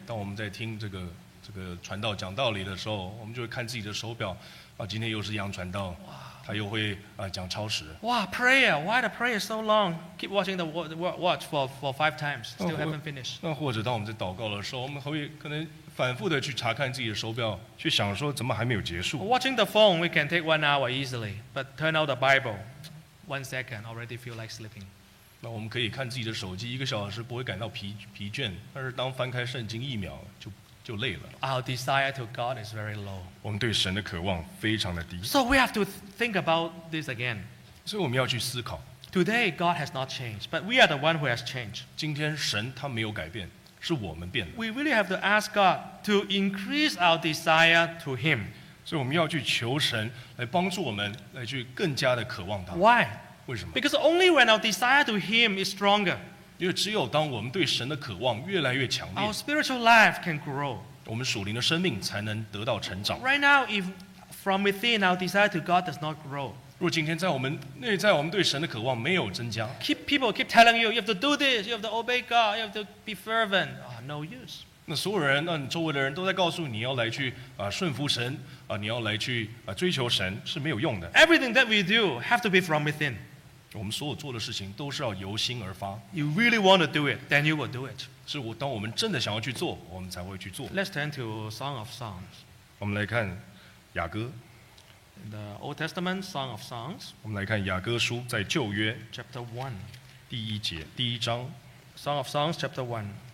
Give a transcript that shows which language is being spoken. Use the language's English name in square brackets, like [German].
[Chinese] 当我们在听这个传道讲道理的时候，我们就会看自己的手表。今天又是杨传道， wow. 他又会讲超时。 [English] Wow, prayer. Why the prayer is so long? Keep watching the watch for 5 times. Still haven't finished. [Chinese] 那或者当我们在祷告的时候，我们会可能反复的去查看自己的手表，去想说怎么还没有结束。 [English] Watching the phone, we can take 1 hour easily. But turn out the Bible, 1 second already feel like sleeping. [Chinese] 那我们可以看自己的手机，一个小时不会感到疲倦，但是当翻开圣经一秒就累了。 [English] Our desire to God is very low. [Chinese] 我们对神的渴望非常的低。 [English] So we have to think about this again. [Chinese] 所以我们要去思考。 [English] Today God has not changed, but we are the one who has changed. [Chinese] 今天神他没有改变，是我们变了。 [English] We really have to ask God to increase our desire to Him. [Chinese] 所以我们要去求神来帮助我们，来去更加的渴望他。 [English] Why? [Chinese] 为什么? [English] Because only when our desire to Him is stronger, [Chinese] 因为只有当我们对神的渴望越来越强烈, [English] our spiritual life can grow. [Chinese] 我们属灵的生命才能得到成长。 [English] Right now, if from within our desire to God does not grow, [Chinese] 如果今天在我们内在我们对神的渴望没有增加, [English] people keep telling you, you have to do this, you have to obey God, you have to be fervent, no use. [Chinese] 那所有人，那你周围的人都在告诉你要来去顺服神你要来去追求神是没有用的。 [English] Everything that we do have to be from within. [Chinese] 我们所有做的事情都是要由心而发。 [English] You really want to do it, then you will do it. [Chinese] 是我当我们真的想要去做，我们才会去做。 [English] Let's turn to Song of Songs. [Chinese] 我们来看雅歌。 [English] The Old Testament Song of Songs. [Chinese] 我们来看雅歌书在旧约。 [English] Chapter 1. [Chinese] 第一节，第一章。 [English] Song of Songs, Chapter 1.